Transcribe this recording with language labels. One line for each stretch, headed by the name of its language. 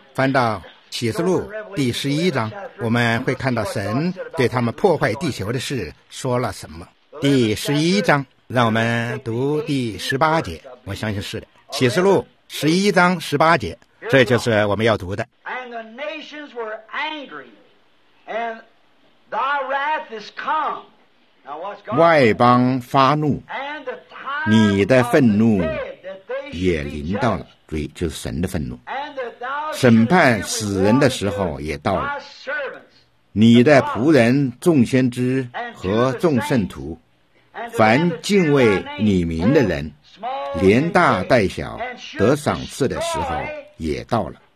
Chinese: 翻到启示录第十一章，我们会看到神对他们破坏地球的事说了什么。第十一章，让我们读第十八节。我相信是的，启示录十一章十八节，这就是我们要读的。
English: And the nations were angry, and thy wrath is come.
Chinese: 外邦发怒，你的愤怒也临到了。注意，就是神的愤怒。审判死人的时候也到了。你的仆人众先知和众圣徒，凡敬畏你名的人，连大带小得赏赐的时候也到了。